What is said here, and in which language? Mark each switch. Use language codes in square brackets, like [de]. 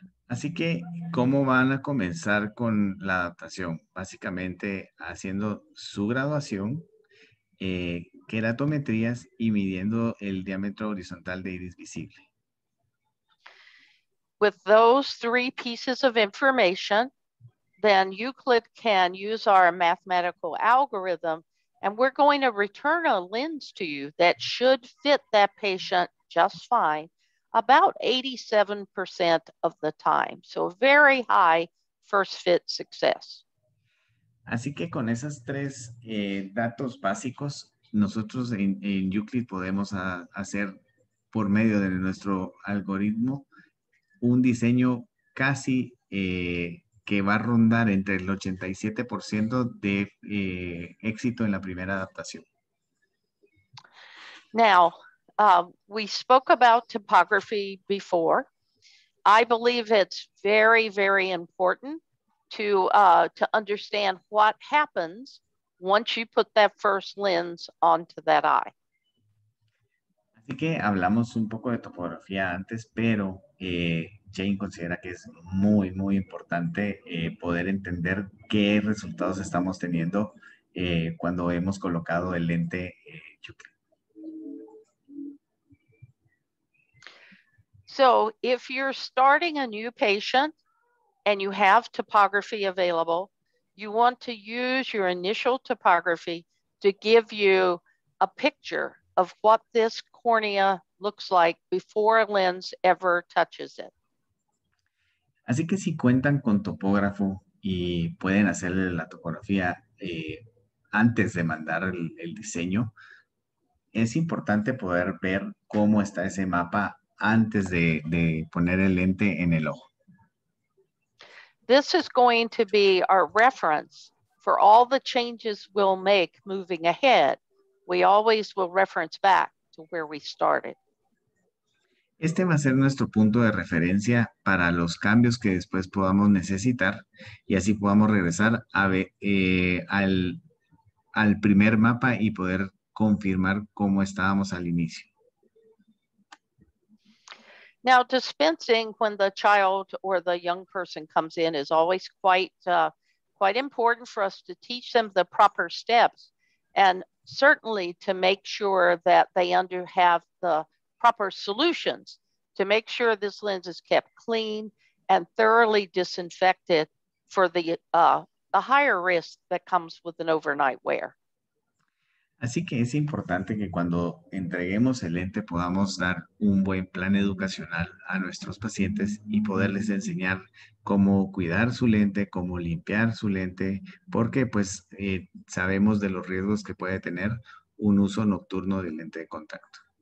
[es] Así que, ¿cómo van a comenzar con la adaptación? Básicamente, haciendo su graduación, queratometrías y midiendo el diámetro horizontal de iris visible. [en] With those three pieces of information, then Euclid can use our mathematical algorithm, and we're going to return a lens to you that should fit that patient just fine about 87% of the time. So very high first fit success. [es] Así que con esas tres datos básicos, nosotros en Euclid podemos hacer por medio de nuestro algoritmo un diseño casi que va a rondar entre el 87% de éxito en la primera adaptación. [en] Now, we spoke about topography before. I believe it's very, very important to understand what happens once you put that first lens onto that eye. [es] Así que hablamos un poco de topografía antes, pero Jane considera que es muy, muy importante poder entender qué resultados estamos teniendo cuando hemos colocado el lente Euclid. [en] So if you're starting a new patient and you have topography available, you want to use your initial topography to give you a picture of what this cornea looks like before a lens ever touches it. [es] Así que si cuentan con topógrafo y pueden hacerle la topografía antes de mandar el diseño, es importante poder ver cómo está ese mapa antes de poner el lente en el ojo. [en] This is going to be our reference for all the changes we'll make moving ahead. We always will reference back to where we started. [es] Este va a ser nuestro punto de referencia para los cambios que después podamos necesitar y así podamos regresar al primer mapa y poder confirmar cómo estábamos al inicio. [en] Now, dispensing when the child or the young person comes in is always quite important for us to teach them the proper steps and certainly to make sure that they have the proper solutions to make sure this lens is kept clean and thoroughly disinfected for the higher risk that comes with an overnight wear. [es] Así que es importante que cuando entreguemos el lente podamos dar un buen plan educacional a nuestros pacientes y poderles enseñar cómo cuidar su lente, cómo limpiar su lente, porque pues sabemos de los riesgos que puede tener un uso nocturno del lente de contacto.